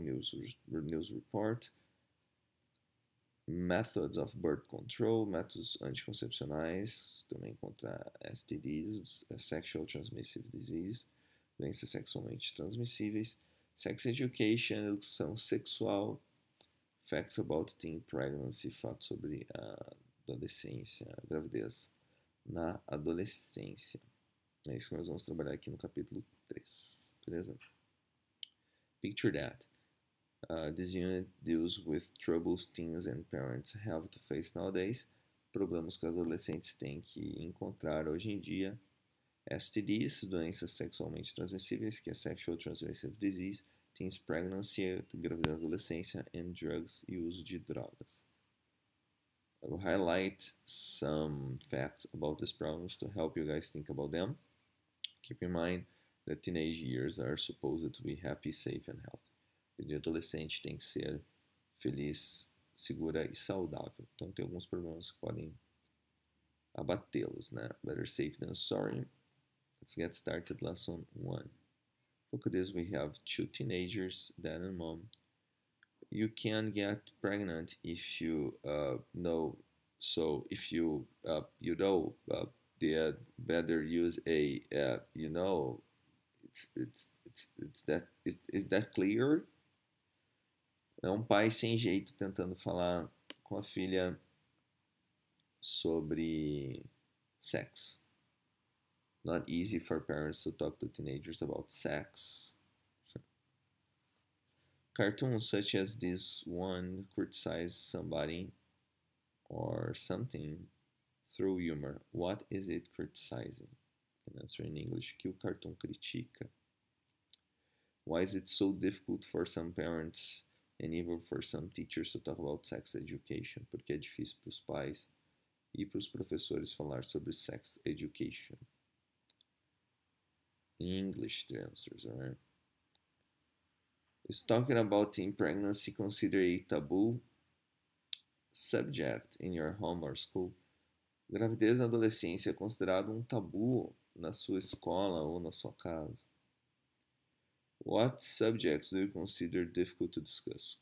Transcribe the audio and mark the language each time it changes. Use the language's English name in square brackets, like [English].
[English] News report. Methods of birth control, [Portuguese] métodos anticoncepcionais, também contra STDs, [English] sexual transmissive disease, [Portuguese] doenças sexualmente transmissíveis, [English] sex education, [Portuguese] educação sexual, [English] facts about teen pregnancy, [Portuguese] fatos sobre a adolescência, a gravidez na adolescência. É isso que nós vamos trabalhar aqui no capítulo 3, beleza? [English] Picture that. This unit deals with troubles teens and parents have to face nowadays. [Portuguese] Problemas que os adolescentes têm que encontrar hoje em dia. STDs, doenças sexualmente transmissíveis, que é [English] sexual transmissive disease. Teens pregnancy, [Portuguese] gravidez na adolescência. [English] And drugs [Portuguese] e uso de drogas. [English] I will highlight some facts about these problems to help you guys think about them. Keep in mind that teenage years are supposed to be happy, safe and healthy. [Portuguese] De adolescente tem que ser feliz, segura e saudável. Então tem alguns problemas que podem abatê-los, né? [English] Better safe than sorry. Let's get started, lesson 1. Look at this, we have two teenagers, dad and mom. You can get pregnant if you know. So if you you know, they better use a you know. Is that clear? [Portuguese] É um pai sem jeito tentando falar com a filha sobre sexo. [English] Not easy for parents to talk to teenagers about sex. Cartoons such as this one criticize somebody or something through humor. What is it criticizing? Can answer in English. [Portuguese] Que o cartoon critica? [English] Why is it so difficult for some parents and even for some teachers to talk about sex education? [Portuguese] Porque é difícil para os pais e para os professores falar sobre [English] sex education. In English, the answers, alright? Is talking about teen pregnancy considered a taboo subject in your home or school? [Portuguese] Gravidez na adolescência é considerado um tabu na sua escola ou na sua casa? [English] What subjects do you consider difficult to discuss?